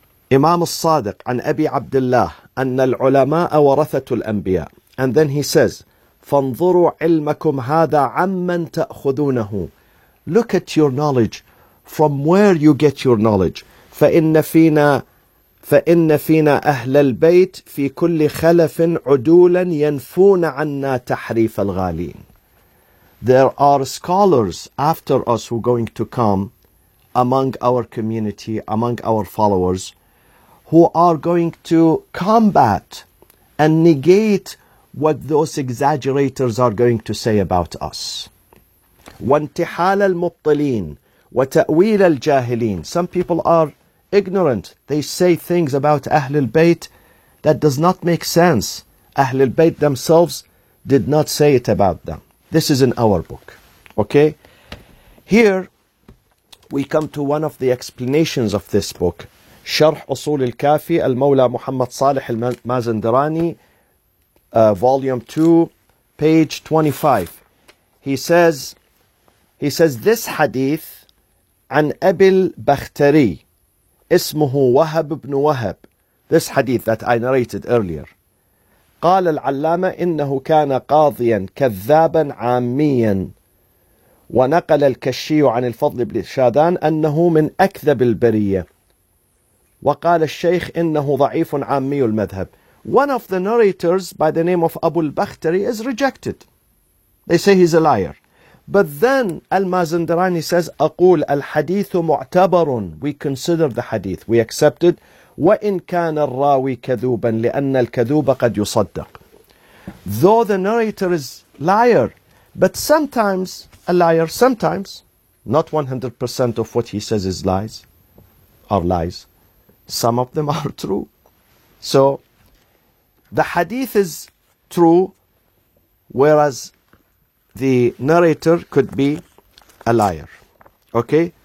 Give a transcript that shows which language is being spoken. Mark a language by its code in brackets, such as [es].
[ar] Imam al-Sadiq عن أبي عبد الله أن العلماء ورثة الأنبياء. [en] And then he says, [ar] فانظروا علمكم هذا عمن تأخذونه. [en] Look at your knowledge. From where you get your knowledge. [ar] فإن فينا فإن فينا أهل البيت في كل خلف عدولا ينفون عنا تحريف الغالين. [en] There are scholars after us who are going to come among our community, among our followers, who are going to combat and negate what those exaggerators are going to say about us. [ar] وانتحال المبطلين وتأويل الجاهلين. [en] Some people are ignorant. They say things about Ahlul Bayt that does not make sense. Ahlul Bayt themselves did not say it about them. This is in our book. Okay? Here, we come to one of the explanations of this book. [ar] شرح أصول الكافي المولى محمد صالح المازندراني [en] volume 2, page 25. He says, this hadith [ar] عن أبي البختري اسمه وهب بن وهب. [en] This hadith that I narrated earlier. [ar] قال العلامة إنه كان قاضيا كذابا عاميا ونقل الكشي عن الفضل بن شاذان أنه من أكذب البرية وقال الشيخ إنه ضعيف عامي المذهب. [en] One of the narrators by the name of Abu al-Bakhtari is rejected. They say he's a liar. But then al-Mazandarani says, [ar] أقول الحديث معتبر. [en] We consider the hadith. We accept it. [ar] وإن كان الراوي كذوبا لأن الكذوب قد يصدق. [en] Though the narrator is liar, but sometimes a liar, sometimes, not 100% of what he says is lies, are lies. Some of them are true. So, the hadith is true, whereas the narrator could be a liar. Okay?